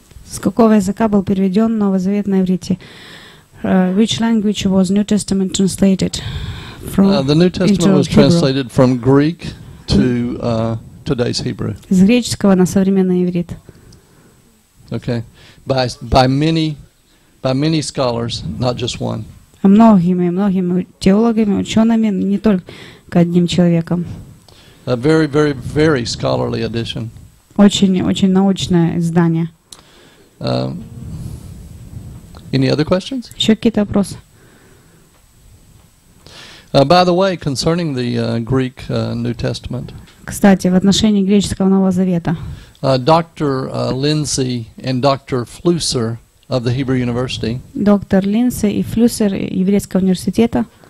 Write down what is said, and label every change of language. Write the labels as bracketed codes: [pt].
[ru] С какого языка был переведен Новый Завет на иврите? [en] Which language was New Testament translated from? The New Testament was translated from Greek to today's Hebrew. [ru] Из греческого на современный иврит. [en] Okay, by many scholars, not just one. [ru] Многими теологами, учеными, не только одним человеком. [en] A very, very, very scholarly edition. [ru] Очень научное издание. [en] Any other questions? [ru] Еще какие-то вопросы? [en] By the way, concerning the Greek New Testament. [ru] Кстати, в отношении греческого Нового Завета. [en] Dr. Lindsay and Dr. Flusser of the Hebrew University. [ru] Доктор Линдси и Флюсер еврейского университета.